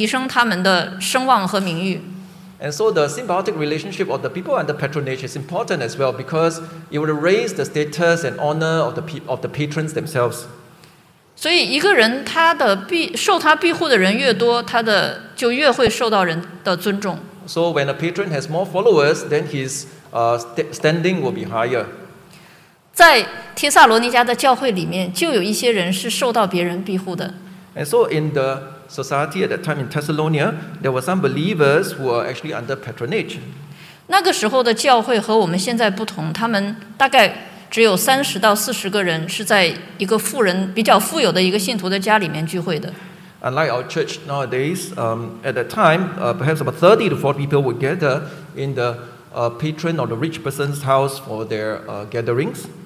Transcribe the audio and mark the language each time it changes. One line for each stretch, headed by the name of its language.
Chinese: 受庇护的人对于这些庇护人来说呢，也很重要，因为可以提升他们的声望和名誉。
English: And so the symbiotic relationship of the people under patronage is important as well because it would raise the status and honor of the patrons themselves.
Chinese: 所以一个人他的受他庇护的人越多，他的就越会受到人的尊重。
English: So when a patron has more followers, then his standing will be higher.
Chinese: 在帖撒罗尼迦的教会里面，就有一些人是受到别人庇护的。
English: And so in the society at that time in Thessalonia, there were some believers who were actually under patronage.
Chinese: 那个时候的教会和我们现在不同，他们大概。只有30到40个人是在一个富人比较富有的一个信徒的家里面聚会的。
English: Unlike our church nowadays, at that time, perhaps about 30 to 40 people would gather in the patron or the rich person's house for their gatherings.